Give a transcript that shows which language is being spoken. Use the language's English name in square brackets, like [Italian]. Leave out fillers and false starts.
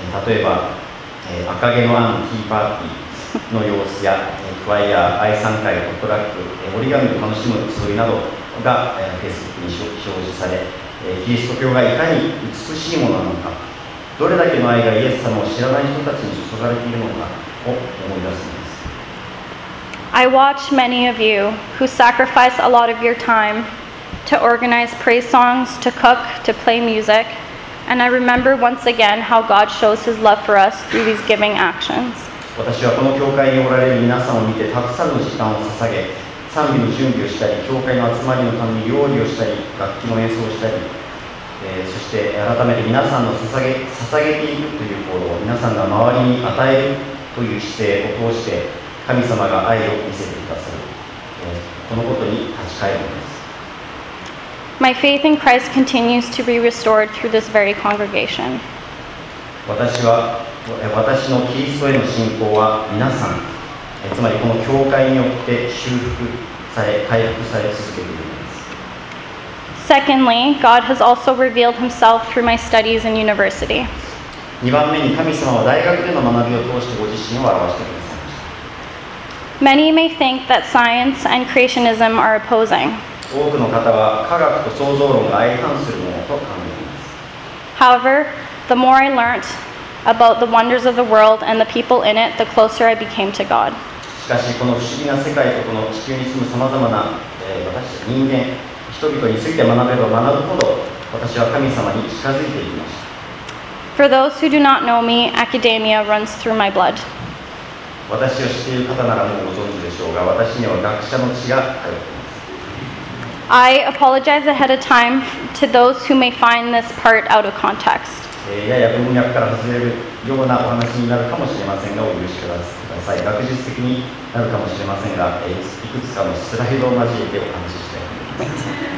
[Japanese] 例えば、赤毛のアンティーパーティーの様子や、クワイア、愛さん会、ホットラック、折り紙を楽しむ競いなどが、フェイスブックに表示され、キリスト教がいかに美しいものなのか、どれだけの愛がイエス様を知らない人たちに注がれているのかを思い出す。 [English] I watch many of you who sacrifice a lot of your time to organize praise songs, to cook, to play music, and I remember once again how God shows His love for us through these giving actions. [Japanese] 私はこの教会におられる皆さんを見て、たくさんの時間を捧げ、賛美の準備をしたり、教会の集まりのために料理をしたり、楽器の演奏をしたり、そして改めて皆さんの捧げていくという行動を、皆さんが周りに与えるという姿勢を通して、神様が愛を見せてくださる。このことに立ち返ります。 [English] My faith in Christ continues to be restored through this very congregation. [Japanese] 私のキリストへの信仰は皆さん、つまりこの教会によって修復され、回復され続けているのです。 [English] Secondly, God has also revealed himself through my studies in university. [Japanese] 2番目に神様は大学での学びを通してご自身を表してくださいました。 [English] Many may think that science and creationism are opposing. [Japanese] 多くの方は科学と創造論が相反するものと考えています。 [English] However, the more I learnt,about the wonders of the world and the people in it, the closer I became to God. [Japanese] しかしこの不思議な世界とこの地球に住む様々な、私たち人間、人々について学べば学ぶほど、私は神様に近づいていきました。 [English] For those who do not know me, academia runs through my blood. [Japanese] 私を知っている方ならもうご存知でしょうが、私には学者の血が通っています。 [English] I apologize ahead of time to those who may find this part out of context. [Japanese] やや文脈から外れるようなお話になるかもしれませんがお許しください。学術的になるかもしれませんが、いくつかのスライドを交えてお話ししたいと思います。